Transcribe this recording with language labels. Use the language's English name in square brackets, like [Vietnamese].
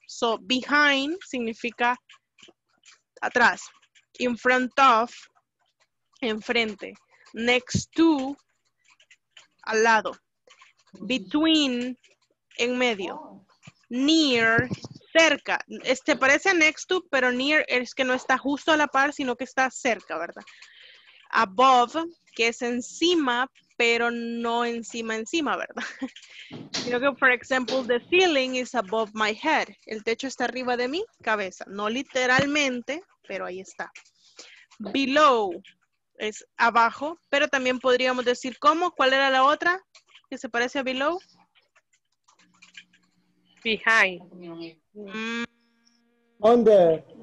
[English] So, behind [Spanish] significa atrás, [English] in front of, enfrente, next to, [Spanish] al lado, [English] between, [Spanish] en medio, [English] near, cerca. [Spanish] Este parece [English] next to, [Spanish] pero near es que no está justo a la par, sino que está cerca, ¿verdad? Above, que es encima, pero no encima encima, ¿verdad? Sino que, [English] for example, the ceiling is above my head. [Spanish] El techo está arriba de mi cabeza. No literalmente, pero ahí está. Below es abajo, pero también podríamos decir, ¿cómo? ¿Cuál era la otra que se parece a below? [English] Behind. Under.